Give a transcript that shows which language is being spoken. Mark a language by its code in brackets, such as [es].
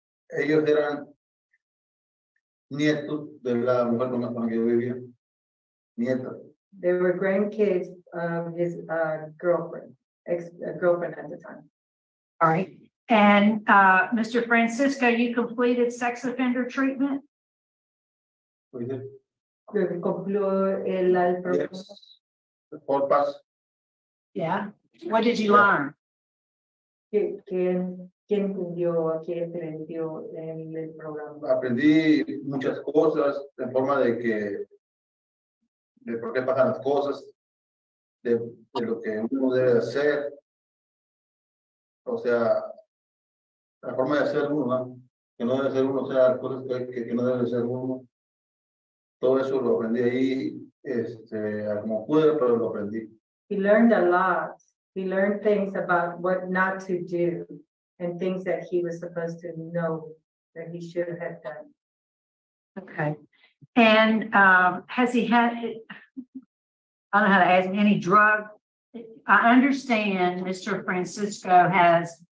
[es] Ellos eran nietos de la mujer con la que yo vivía. Nietos. [en] They were grandkids of his girlfriend at the time. All right. And Mr. Francisco, you completed sex offender treatment? We did. Yes. The four pass. Yeah. What did you learn? [es] ¿Quién cumplió, quién aprendió en el programa? Aprendí muchas cosas en forma de que. De por qué pasan las cosas, de lo que uno debe hacer, o sea, la forma de hacer uno, ¿no? Que no debe hacer uno, o sea, cosas que no debe hacer uno, todo eso lo aprendí ahí, como pude, pero lo aprendí. [en] He learned a lot. He learned things about what not to do and things that he was supposed to know that he should have done. Okay. And has he had, I don't know how to ask, any drug? I understand Mr. Francisco has